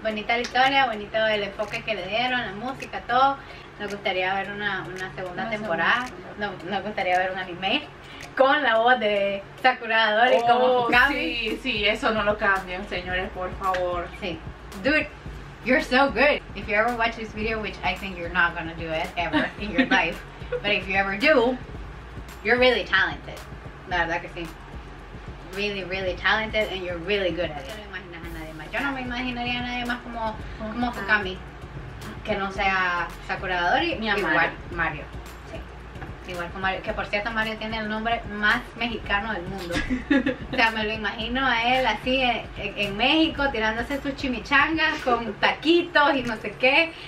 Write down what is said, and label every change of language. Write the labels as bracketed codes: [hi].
[es] Bonita la historia, bonito el enfoque que le dieron, la música, todo. Nos gustaría ver una segunda temporada. Nos gustaría ver un anime con la voz de Sakura Dori como Fukami. Sí, sí, eso no lo cambien, señores, por favor. Sí. [en] Dude, you're so good. If you ever watch this video, which I think you're not gonna do it ever in your life, but if you ever do, you're really talented. [es] La verdad que sí. [en] Really, really talented, and you're really good at it. [es] No me imaginas a nadie más. Yo no me imaginaría a nadie más como Fukami. Que no sea Sakura Dori, ni a igual Mario. Igual con Mario, que por cierto Mario tiene el nombre más mexicano del mundo. O sea, me lo imagino a él así en México tirándose sus chimichangas con taquitos y no sé qué.